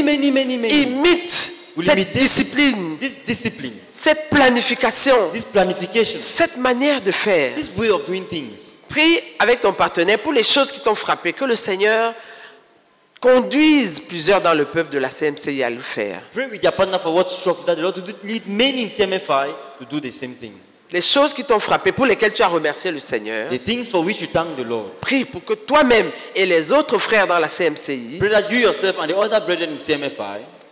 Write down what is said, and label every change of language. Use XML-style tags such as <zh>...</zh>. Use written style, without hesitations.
<fr>imite cette discipline,</fr> <en>this discipline,</en> <fr>cette planification,</fr> <en>this planification,</en> <fr>cette manière de faire,</fr> <en>this way of doing things.</en> <fr>Prie avec ton partenaire pour les choses qui t'ont frappé, que le Seigneur conduise plusieurs dans le peuple de la CMCI à le faire.</fr> <en>Pray with your partner for what struck that the Lord to lead many in CMFI to do the same thing.</en> <fr>Les choses qui t'ont frappé, pour lesquelles tu as remercié le Seigneur,</fr> <en>the things for which you thank the Lord,</en> <fr>prie pour que toi-même et les autres frères dans la CMCI,</fr> <en>pray that you yourself and the other brethren in CMFI,</en>